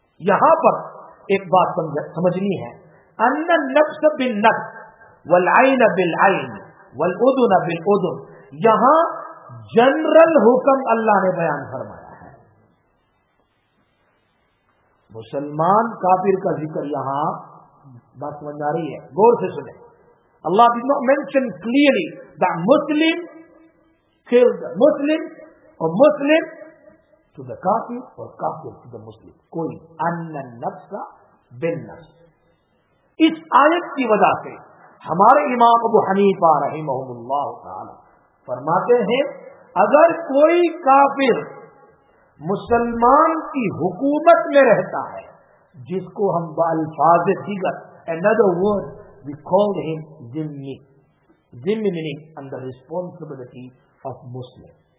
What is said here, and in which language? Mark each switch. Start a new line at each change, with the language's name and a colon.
Urdu: یہاں پر ایک بات سمجھنی ہے,
Arabic: ان النفس بالنفس والعین بالعین والاذن بالاذن,
Urdu: یہاں جنرل حکم اللہ نے بیان فرمایا. مسلمان کافر کا ذکر یہاں بات سمجھ آ رہی ہے, غور سے سنیں.
English: Allah did not mention clearly that Muslim killed the Muslim or Muslim to the kafir or kafir to the Muslim.
Urdu: کوئی ان نفس بن نفس. اس آیت کی وجہ سے ہمارے امام ابو حنیفہ رحمہ اللہ تعالی فرماتے ہیں اگر کوئی کافر مسلمان کی حکومت میں رہتا ہے, جس کو ہم بالفاظ دیگر
English: another word we call him zimmi, zimmi meaning under responsibility of Muslim.